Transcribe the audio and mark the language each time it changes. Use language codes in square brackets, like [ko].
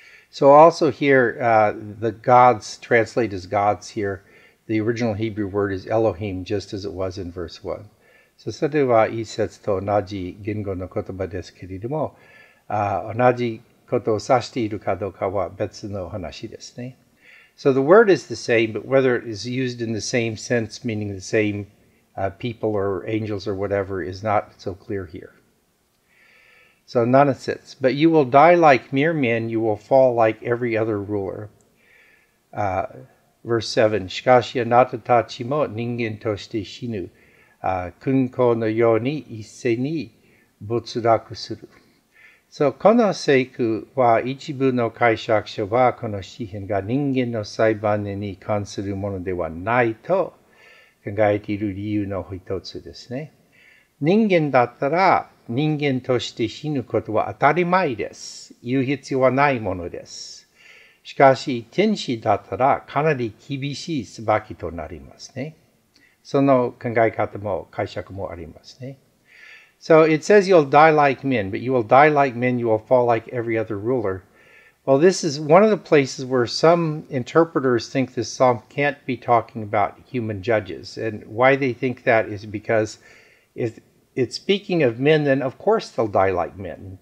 [en] So also here, the gods, translated as gods here, the original Hebrew word is Elohim, just as it was in verse 1. [ja] So, それは一節と同じ言語の言葉ですけれども、同じことを指しているかどうかは別の話ですね。 [en] So the word is the same, but whether it is used in the same sense, meaning the same people or angels or whatever, is not so clear here. So none of it. But you will die like mere men, you will fall like every other ruler. Verse 7. [ja] しかしあなたたちも人間として死ぬ。君子のように一斉に没落する。 So, この聖句は一部の解釈者はこの詩篇が人間の裁判に関するものではないと考えている理由の一つですね。人間だったら人間として死ぬことは当たり前です。言う必要はないものです。しかし、天使だったらかなり厳しい裁きとなりますね。その考え方も解釈もありますね。 [en] So it says you'll die like men, but you will die like men, you will fall like every other ruler. Well, this is one of the places where some interpreters think this psalm can't be talking about human judges. And why they think that is because if it's speaking of men, then of course they'll die like men.